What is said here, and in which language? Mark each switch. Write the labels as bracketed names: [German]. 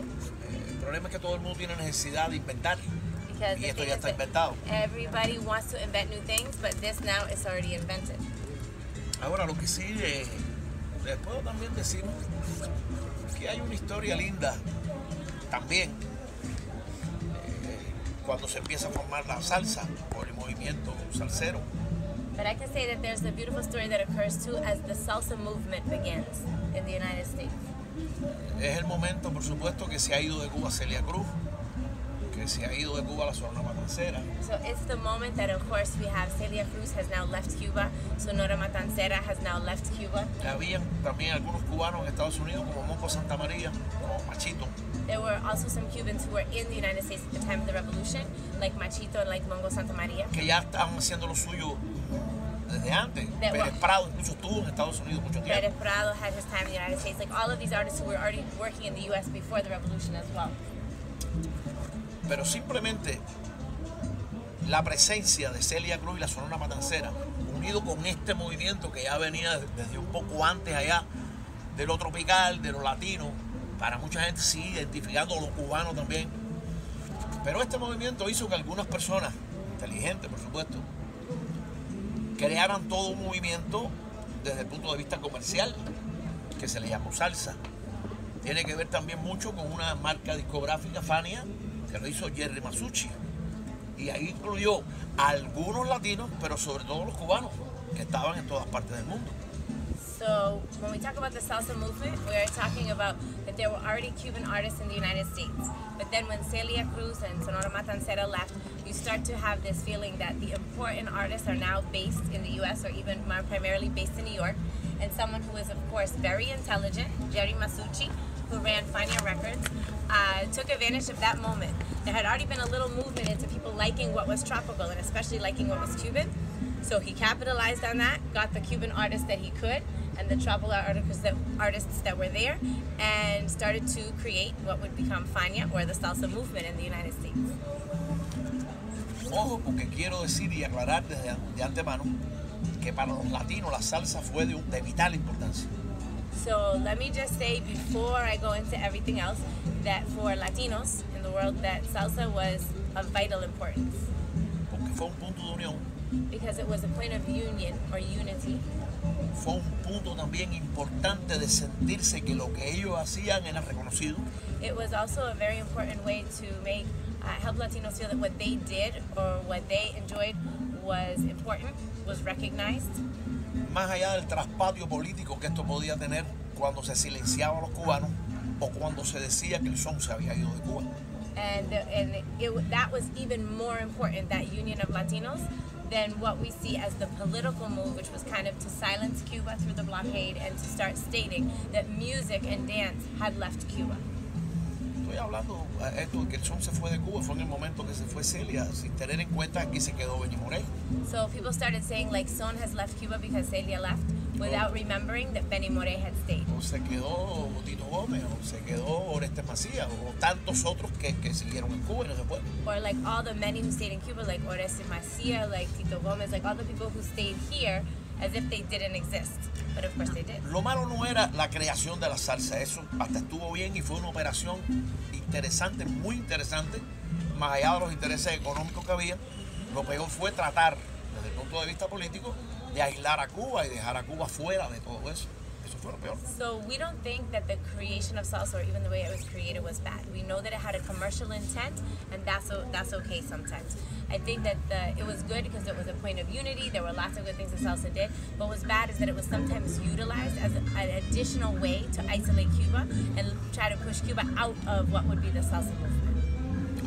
[Spanish] El problema es que todo el mundo tiene necesidad de inventar. Y esto ya está inventado. [English] Everybody wants to invent new things, but this now is already invented. [Spanish] Ahora lo que sí, les puedo también decir que hay una historia linda también. Cuando se empieza a formar la salsa o el movimiento salsero. [English] But I can say that there's a beautiful story that occurs too as the salsa movement begins in the United States. [Spanish] Es el momento, por supuesto, que se ha ido de Cuba Celia Cruz, que se ha ido de Cuba la Sonora Matancera. [English] So it's the moment that, of course, we have Celia Cruz has now left Cuba, Sonora Matancera has now left Cuba. [Spanish] Había también algunos cubanos en Estados Unidos como Moco Santa María o Machito. [English] There were also some Cubans who were in the United States at the time of the revolution, like Machito and like Mongo Santa María. [Spanish] Que ya estaban haciendo lo suyo desde antes. Pérez Prado incluso estuvo en Estados Unidos mucho tiempo. [English] Pérez Prado had his time in the United States. Like all of these artists who were already working in the U.S. before the revolution as well. [Spanish] Pero simplemente la presencia de Celia Cruz y la Sonora Matancera, unido con este movimiento que ya venía desde un poco antes allá, de lo tropical, de lo latino, para mucha gente sí, identificando a los cubanos también. Pero este movimiento hizo que algunas personas, inteligentes por supuesto, crearan todo un movimiento desde el punto de vista comercial, que se le llamó salsa. Tiene que ver también mucho con una marca discográfica, Fania, que lo hizo Jerry Masucci. Y ahí incluyó a algunos latinos, pero sobre todo los cubanos, que estaban en todas partes del mundo. [English] So when we talk about the salsa movement, we are talking about that there were already Cuban artists in the United States. But then when Celia Cruz and Sonora Matancera left, you start to have this feeling that the important artists are now based in the U.S. or even more primarily based in New York. And someone who is, of course, very intelligent, Jerry Masucci, who ran Fania Records, took advantage of that moment. There had already been a little movement into people liking what was tropical and especially liking what was Cuban. So he capitalized on that, got the Cuban artists that he could and the tropical artists that were there, and started to create what would become Fania or the salsa movement in the United States. [Spanish] Ojo, porque quiero decir y aclarar desde de antemano que para los latinos la salsa fue de vital importancia. [English] So let me just say before I go into everything else that for Latinos in the world that salsa was of vital importance. [Spanish] Porque fue un punto de unión. [English] Because it was a point of union or unity. [Spanish] Fue un punto también importante de sentirse que lo que ellos hacían era reconocido. [English] It was also a very important way to make help Latinos feel that what they did or what they enjoyed was important, was recognized. [Spanish] Más allá del traspatio político que esto podía tener cuando se silenciaba a los cubanos o cuando se decía que el son se había ido de Cuba. [English] And that was even more important, that union of Latinos, than what we see as the political move, which was kind of to silence Cuba through the blockade and to start stating that music and dance had left Cuba. [Spanish] Estoy hablando de esto, que el son se fue de Cuba, fue en el momento que se fue Celia, sin tener en cuenta que se quedó Benny Morey. [English] So people started saying like son has left Cuba because Celia left, without remembering that Benny Morey had stayed. [Spanish] O se quedó Tito Gómez, o se quedó Orestes Macías, o tantos otros que siguieron en Cuba y no se fue. [English] Or like all the many who stayed in Cuba, like Orestes Macías, like Tito Gómez, like all the people who stayed here, as if they didn't exist. But of course they did. [Spanish] Lo malo no era la creación de la salsa, eso hasta estuvo bien y fue una operación interesante, muy interesante, más allá de los intereses económicos que había. Lo peor fue tratar, desde el punto de vista político, de aislar a Cuba y dejar a Cuba fuera de todo eso. Eso fue lo peor. [English] So we don't think that the creation of salsa, or even the way it was created, was bad. We know that it had a commercial intent, and that's okay sometimes. I think that it was good because it was a point of unity. There were lots of good things that salsa did. But what was bad is that it was sometimes utilized as an additional way to isolate Cuba and try to push Cuba out of what would be the salsa movement.